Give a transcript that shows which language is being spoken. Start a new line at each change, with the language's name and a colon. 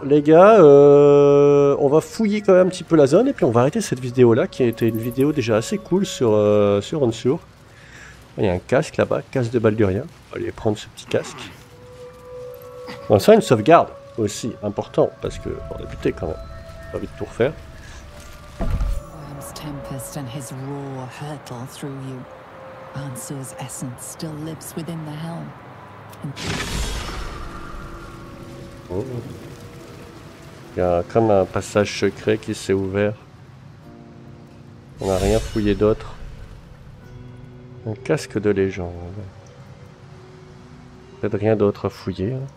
French: Les gars, on va fouiller quand même un petit peu la zone. Et puis on va arrêter cette vidéo-là, qui a été une vidéo déjà assez cool sur Unsur. Il y a un casque là-bas, casque de Baldurien. On va aller prendre ce petit casque. On sent une sauvegarde aussi, important, parce que on a buté quand même. Pas envie de tout refaire.
English: Worm's tempest and his roar hurtle through you. Ansur's essence still lives within the helm. Oh.
French: Il y a comme un passage secret qui s'est ouvert. On n'a rien fouillé d'autre. Un casque de légende. Peut-être rien d'autre à fouiller.